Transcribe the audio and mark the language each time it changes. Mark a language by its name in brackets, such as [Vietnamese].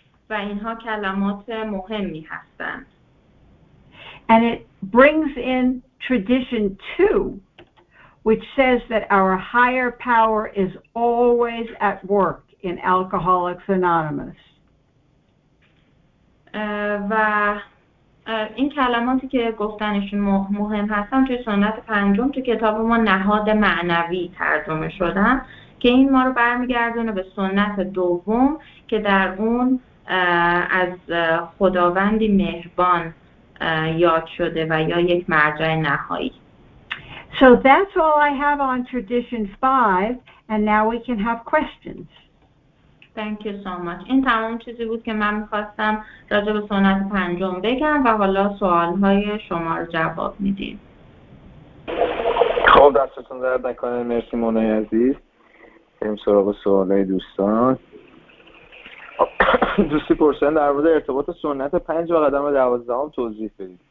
[Persian] و اینها کلمات مهمی هستند. [English] And it brings in tradition 2, which says that our higher power is always at work. In Alcoholics Anonymous. [Persian] و این کلماتی که گفتنشون مهم هستن توی سنت پنجم توی کتاب ما نهاد معنوی ترجمه شدن که این ما رو برمیگردونه به سنت دوم که در اون از خداوندی مهربان یاد شده و یا یک مرجع نهایی. [English] So that's all I have on tradition 5 and now we can have questions. Thank you so much. [Persian] این تمام چیزی بود که من می‌خواستم راجع به سنت پنجم بگم و حالا سوال‌های شما رو جواب میدیم. خب دستتون درد نکنه. مرسی مونای عزیز. بریم سراغ سوال‌های دوستان. دوستی پرسیدن در مورد ارتباط سنت پنج و قدم دوازدهم توضیح بدید.